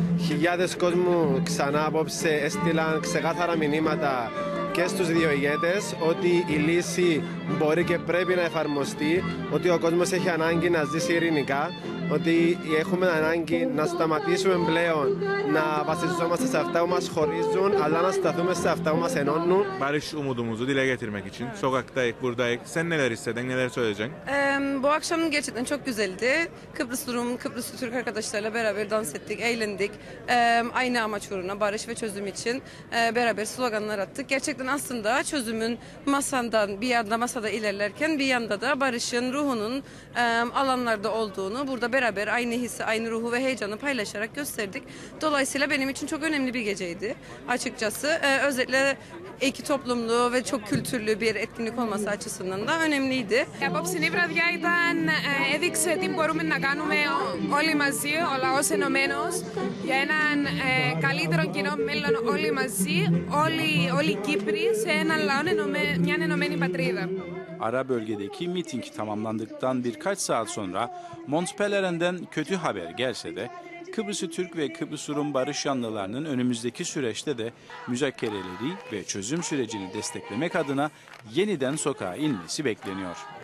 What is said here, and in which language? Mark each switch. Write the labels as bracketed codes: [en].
[el] Χιλιάδες κόσμου ξανά απόψε έστειλαν ξεκάθαρα μηνύματα και στους δύο ηγέτες ότι η λύση μπορεί και πρέπει να εφαρμοστεί, ότι ο κόσμος έχει ανάγκη να ζήσει ειρηνικά, ότι έχουμε ανάγκη να σταματήσουμε πλέον να βασιζόμαστε σε αυτά που μας χωρίζουν, αλλά να σταθούμε σε αυτά που μας ενώνουν. Μπαρίς ουμουδουμουζου, τι λέει γετυρμέκ için, σοκακτάικ, βουρδάικ, σεν neler istedin, neler söyleyecek? [tr] Bu akşam gerçekten çok güzeldi. Kıbrıslı'nın Kıbrıslı Türk arkadaşlarıyla beraber dans ettik, eğlendik. Aynı amaç uğruna, barış ve çözüm için beraber sloganlar attık. Gerçekten aslında çözümün masandan bir yanda masada ilerlerken bir yanda da barışın ruhunun alanlarda olduğunu burada beraber aynı hissi, aynı ruhu ve heyecanı paylaşarak gösterdik. Dolayısıyla benim için çok önemli bir geceydi açıkçası. Özellikle iki toplumlu ve çok kültürlü bir etkinlik olması açısından da önemliydi. [el] Απόψινη βραδιά ήταν έδειξε τι μπορούμε να κάνουμε όλοι μαζί, ο λαός ενωμένος, για έναν καλύτερο κοινό μέλλον όλοι μαζί, όλοι οι Κύπροι σε έναν λαό, μια ενωμένη πατρίδα. [tr] Ara bölgedeki miting tamamlandıktan birkaç saat sonra Montpellier'den kötü haber gelse de Kıbrıs'ı Türk ve Kıbrıs'ı Rum barış yanlılarının önümüzdeki süreçte de müzakereleri ve çözüm sürecini desteklemek adına yeniden sokağa inmesi bekleniyor.